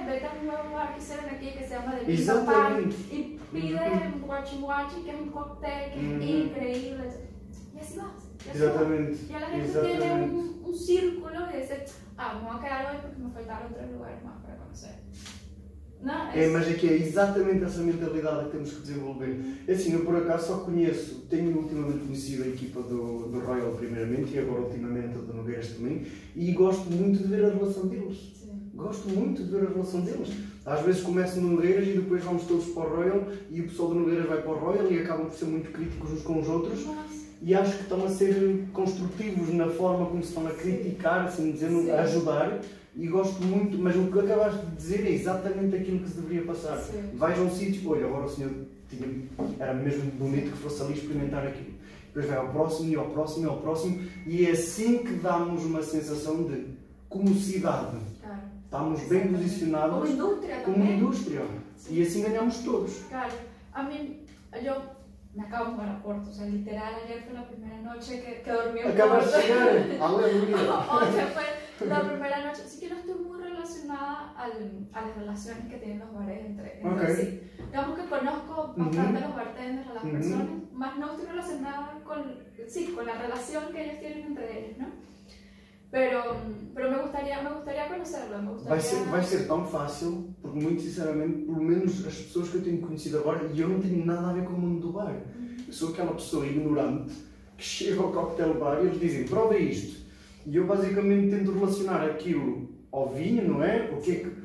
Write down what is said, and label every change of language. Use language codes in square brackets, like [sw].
[es] Vete a un nuevo bar que hicieron aquí que se llama The Pizza Park y pide un Guachi Guachi, que es un cóctel que es increíble. Y así vas. Exactamente. Y a la gente tiene un círculo y dice, ah, me voy a quedar hoy porque me faltaron tres lugares más para conocer. [pt] Não, mas é que é exatamente essa mentalidade que temos que desenvolver. Assim, eu por acaso só conheço, tenho ultimamente conhecido a equipa do Royal primeiramente e agora ultimamente a do Nogueiras também, e gosto muito de ver a relação deles. Sim. Gosto muito de ver a relação deles. Às vezes começo no Nogueiras e depois vamos todos para o Royal e o pessoal do Nogueiras vai para o Royal e acabam por ser muito críticos uns com os outros. Nossa. E acho que estão a ser construtivos na forma como se estão a criticar, assim dizendo, a ajudar. E gosto muito, mas o que acabaste de dizer é exatamente aquilo que se deveria passar. Sim. Vais a um sítio, olha, agora o senhor era mesmo bonito que fosse ali experimentar aquilo. Depois vai ao próximo, e ao próximo, e ao próximo. E é assim que damos uma sensação de como cidade. Claro. Estamos bem posicionados. Como indústria também. Como indústria. Sim. E assim ganhamos todos. Claro. A mim, eu me acabo de mudar a Porto. [es] O sea, literal, ayer [pt] foi a primeira noite que dormi. Acabas de chegar. Aleluia. Ontem foi [es] la primera noche, sí que no estoy muy relacionada a las relaciones que tienen los bares entre sí. Digamos que conozco bastante a los bartenders, a las personas, más no estoy relacionada con la relación que ellos tienen entre ellos, ¿no? Pero me gustaría conocerlo, me gustaría... [pt] Vai ser tão fácil, porque muito sinceramente, pelo menos as pessoas que eu tenho conhecido agora, e eu não tenho nada a ver com o mundo do bar. Eu sou aquela pessoa ignorante que chega ao cocktail bar e eles dizem, prova isto. E eu basicamente tento relacionar aquilo ao vinho, não é? O que é que,